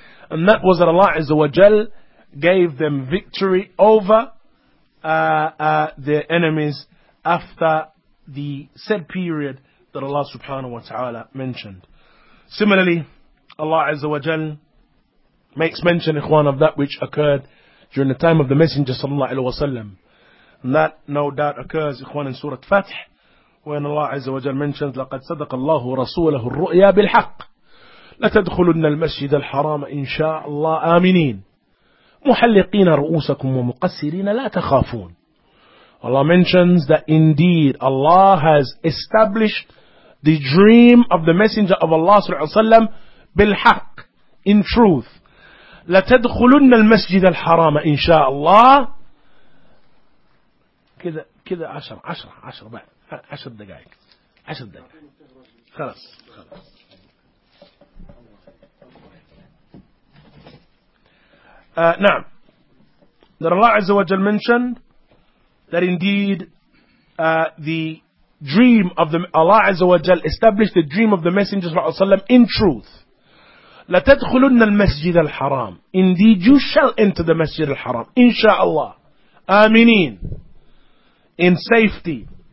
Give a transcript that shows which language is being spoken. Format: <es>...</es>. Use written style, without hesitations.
<en>And that was that Allah Azza wa Jal gave them victory over their enemies after the said period that Allah subhanahu wa ta'ala mentioned. Similarly, Allah Azza wa Jal makes mention, ikhwan, of that which occurred during the time of the Messenger sallallahu alayhi wa sallam. And that no doubt occurs, ikhwan, in Surah Fath, when Allah Azza wa Jal mentions,</en> <ar>لَقَدْ صَدَقَ اللَّهُ رَسُولَهُ الرُّؤْيَا بِالْحَقِّ لَتَدْخُلُنَّ الْمَسْجِدَ الْحَرَامَ إِنْ شَاءَ اللَّهُ آمِنِينَ مُحَلِّقِينَ رُؤُوسَكُمْ وَمُقَسِّرِينَ لَا تَخَافُونَ.</ar> <en>Allah mentions that indeed Allah has established the dream of the Messenger of Allah sallallahu alayhi wa sallam بالحق, in truth.</en> <ar>لَتَدْخُلُنَّ الْمَسْجِدَ الْحَرَامَ إِنْ شَاءَ اللَّهُ. كذا عشر عشر عشر بعد عشر دقائق عشر دقائق خلاص خلاص.</ar> <en>Now, that Allah Azza wa Jal mentioned that indeed the dream of the Allah Azza wa Jal established the dream of the Messenger sallallahu alaihi wasallam in truth.</en> <ar>لَتَدْخُلُنَّ الْمَسْجِدَ الْحَرَامِ.</ar> <en>Indeed, you shall enter the Masjid al-Haram. Insha'Allah. Aminin. In safety.</en>